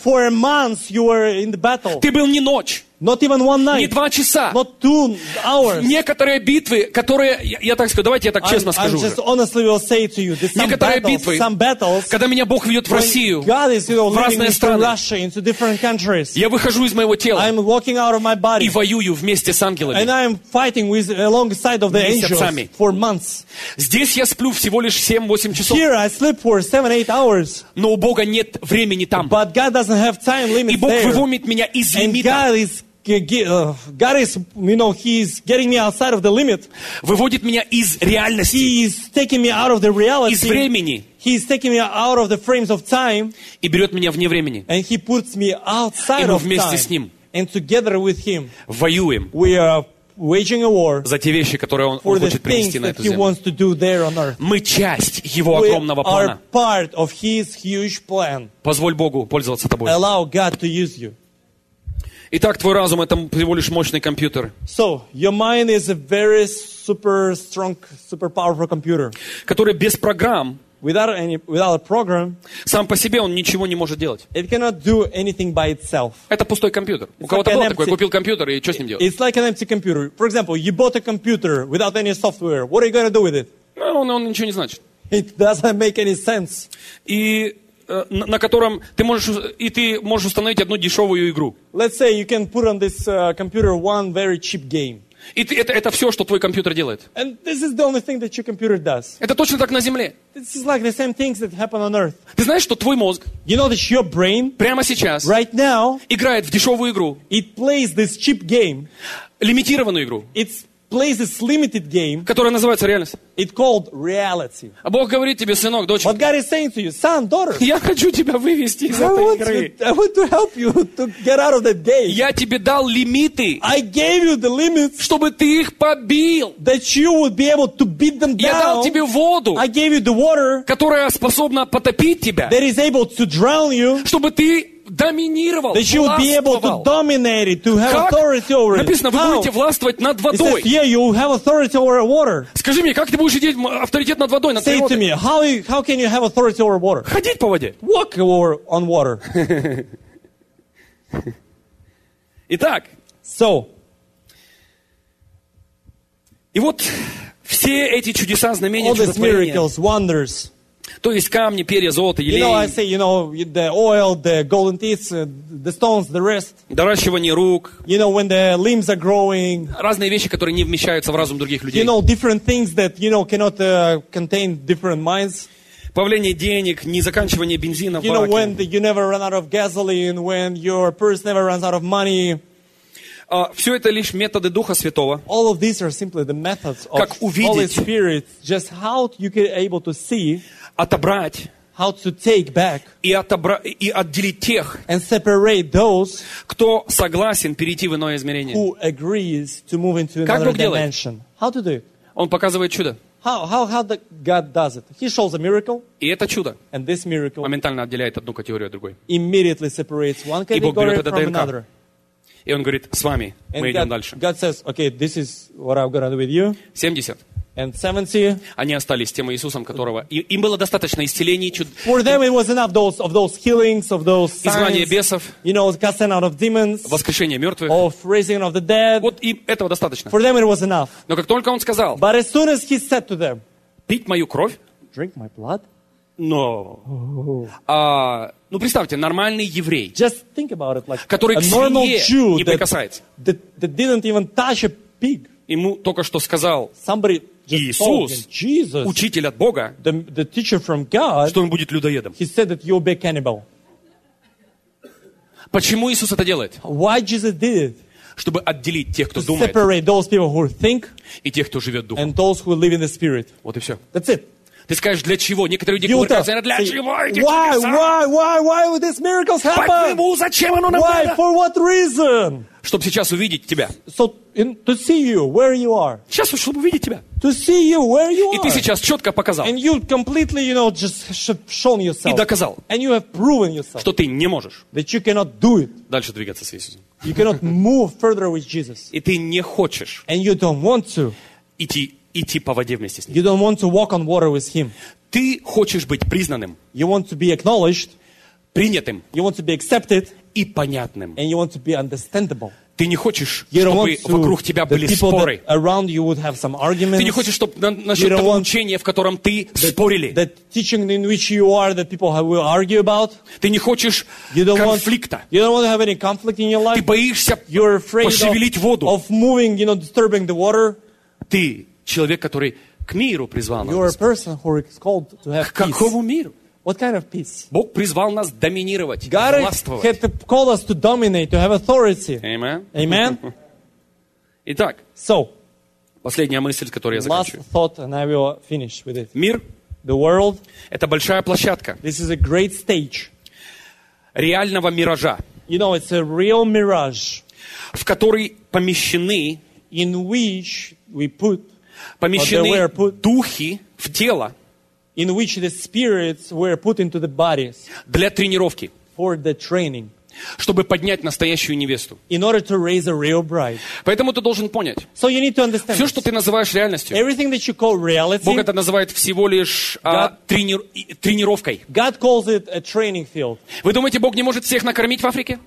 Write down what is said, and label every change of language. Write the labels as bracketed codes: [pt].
[en] For a month you were in the battle. [ru] Ты был не ночь. [en] Not even one night. [ru] Не два часа. [en] Not two hours. [ru] Некоторые битвы, которые я так скажу, давайте я так честно скажу. [en] I just honestly will say to you, [ru] некоторые [en] battles, [ru] битвы, [en] some battles, [ru] когда меня Бог ведет в Россию, [en] God is, you know, [ru] в разные страны, [en] Russia, into different countries, [ru] я выхожу из моего тела [en] I'm walking out of my body, [ru] и воюю вместе с ангелами. [en] And I'm fighting with, alongside of the angels for months. [ru] Здесь я сплю всего лишь 7-8 часов. [en] Here I sleep for 7-8 hours. [ru] Но у Бога нет времени там. [en] But God doesn't have time limit [ru] и Бог [en] there. [ru] Выводит меня из лимита. [en] God is, you know, he is getting me outside of the limit. [ru] Выводит меня из реальности. [en] He is taking me out of the reality. [ru] Из времени. [en] He is taking me out of the frames of time. [ru] И берет меня вне времени. [en] And he puts me outside [ru] И мы вместе с ним. [en] And together with him. [ru] Воюем. [en] We are waging a war. [ru] За те вещи, которые он хочет принести на эту землю. Мы часть его огромного плана. [en] We are part of his huge plan. [ru] Позволь Богу пользоваться тобой. [en] Allow God to use you. [ru] Итак, твой разум — это всего лишь мощный компьютер. [en] So, your mind is a very super strong, super powerful computer. [ru] Который без программ, [en] without a program, [ru] сам по себе он ничего не может делать. [en] It cannot do anything by itself. [ru] Это пустой компьютер. [en] It's [ru] у кого-то [en] like [ru] был такой, купил компьютер, и что с ним делать? [en] It's like an empty computer. For example, you bought a computer without any software. What are you going to do with it? [ru] Ну, он ничего не значит. [en] It doesn't make any sense. [ru] И на котором ты можешь, и ты можешь установить одну дешевую игру. [en] Let's say you can put on this computer one very cheap game. [ru] И ты, это все, что твой компьютер делает. [en] And this is the only thing that your computer does. [ru] Это точно так на земле. [en] This is like the same things that happen on Earth. [ru] Ты знаешь, что твой мозг, [en] you know that your brain, [ru] прямо сейчас, [en] right now, [ru] играет в дешевую игру. [en] It plays this cheap game. [ru] Лимитированную игру. [en] It plays this limited game. [ru] Которая называется реальность. [en] It called reality. [ru] А Бог говорит тебе, сынок, дочь. [en] What God is saying to you, son, daughter. [ru] Я хочу тебя вывести из этой игры. [en] I want to help you to get out of that game. [ru] Я тебе дал лимиты. [en] I gave you the limits. [ru] Чтобы ты их побил. [en] That you would be able to beat them down. [ru] Я дал тебе воду. [en] I gave you the water. [ru] Которая способна потопить тебя. [en] That is able to drown you. [ru] Чтобы ты доминировал, [en] that you would be able to dominate it, to have authority over it. [ru] Написано, вы [en] how? [ru] Будете властвовать над водой. [en] It says, yeah, you have authority over water. [ru] Скажи мне, как ты будешь иметь авторитет над водой, над природой? [en] Say to me, how can you have authority over water? [ru] Ходить по воде. [en] Walk over on water. [ru] Итак. [en] So. [ru] И вот все эти чудеса, знамения, чудотворения. [en] All these miracles, wonders. [ru] То есть камни, перья, золото, елей. [en] You know, I say, you know, the oil, the golden teeth, the stones, the rest. [ru] Доращивание рук. [en] You know, when the limbs are growing. [ru] Разные вещи, которые не вмещаются в разум других людей. [en] You know, different things that, you know, cannot contain different minds. [ru] Появление денег, не заканчивание бензина в баке. [en] You know, when you never run out of gasoline, when your purse never runs out of money. [ru] Все это лишь методы Духа Святого. [en] All of these are simply the methods of [ru] как увидеть. [en] Holy Spirit, just how you get able to see. [ru] Отобрать, [en] how to take back, [ru] и отделить тех, [en] and separate those, [ru] кто согласен перейти в иное измерение. [en] Who agrees to move into another [ru] как Бог [en] dimension. [ru] Делает? [en] How to do it? [ru] Он показывает чудо. [en] How the God does it? He shows a miracle. [ru] И это чудо. [en] And this miracle [ru] моментально отделяет одну категорию от другой. [en] Immediately separates one category from another. [ru] И он говорит, с вами мы [en] and [ru] идем [en] God, [ru] дальше. [en] God says, okay, this is what I'm gonna do with you. [ru] 70. [en] And 70. [ru] Они остались тем Иисусом, которого им было достаточно исцелений, чуд. [en] For them it was enough those healings, of those signs. [ru] Изгнание бесов. [en] You know, casting out of demons. [ru] Воскрешение мертвых. [en] Of raising of the dead. [ru] Вот им этого достаточно. [en] For them it was enough. [ru] Но как только он сказал, [en] but as soon as he said to them, [ru] пить мою кровь, [en] drink my blood. [ru] Но, ну представьте, нормальный еврей, [en] just think about it, like [ru] который [en] a normal [ru] к свинье не прикасается, [en] that didn't even touch a pig. [ru] Ему только что сказал Иисус, [en] Jesus, [ru] учитель от Бога, [en] the teacher from God, [ru] что он будет людоедом. [en] He said that you'll be a cannibal. [ru] Почему Иисус это делает? [en] Why Jesus did it? [ru] Чтобы отделить тех, кто [en] to [ru] думает, [en] separate those people who think, [ru] и тех, кто живет духом. [en] And those who live in the spirit. [ru] Вот и все. [en] That's it. [ru] Ты скажешь, для чего? Некоторые люди говорят, для чего эти чудеса? [en] Why would these miracles happen? [ru] По-твоему, зачем оно нам надо? [en] For what reason? [ru] Чтобы сейчас увидеть тебя. [en] To see you where you are. [ru] Сейчас, чтобы увидеть тебя. [en] To see you where you are. [ru] И ты сейчас четко показал. [en] And you completely, you know, just shown yourself. [ru] И доказал. [en] And you have proven yourself. [ru] Что ты не можешь. [en] That you cannot do it. [ru] Дальше двигаться с Иисусом. [en] You cannot move further with Jesus. [ru] И ты не хочешь. [en] And you don't want to. [ru] Идти по воде вместе с ним. [en] You don't want to walk on water with him. [ru] Ты хочешь быть признанным. [en] You want to be acknowledged. [ru] Принятым. [en] You want to be accepted. [ru] И понятным. [en] And you want to be understandable. [ru] Ты не хочешь, чтобы вокруг тебя были споры. [en] Around you would have some arguments. [ru] Ты не хочешь, чтобы насчет того учения, в котором ты спорили. [en] That teaching in which you are, that people will argue about. [ru] Ты не хочешь конфликта. [en] You don't want to have any conflict in your life. [ru] Ты боишься пошевелить воду. [en] Of moving, you know, disturbing the water. [ru] Ты человек, который к миру призван. [en] You are a person who is called to have peace. [ru] К какому миру? [en] What kind of peace? [ru] Бог призвал нас доминировать, властвовать. [en] God has called us to dominate, to have authority. Amen. Amen. [ru] Итак. [en] So. [ru] Последняя мысль, которую я закончу. [en] Last thought, and I will finish with it. [ru] Мир. [en] The world. [ru] Это большая площадка. [en] This is a great stage. [ru] Реального миража. [en] You know, it's a real mirage. [ru] В который помещены. [en] In which we put. [ru] Помещены [en] where put, [ru] духи в тело. [en] In which the spirits were put into the bodies [ru] для тренировки, [en] for the training, [ru] чтобы поднять настоящую невесту, [en] in order to raise a real bride. [ru] Поэтому ты должен понять, [en] so you need to understand, [ru] все, что ты называешь реальностью, [en] everything that you call reality, [ru] Бог это называет всего лишь тренировкой. [en] God calls it a training field. [ru] Вы думаете, Бог не может всех накормить в Африке?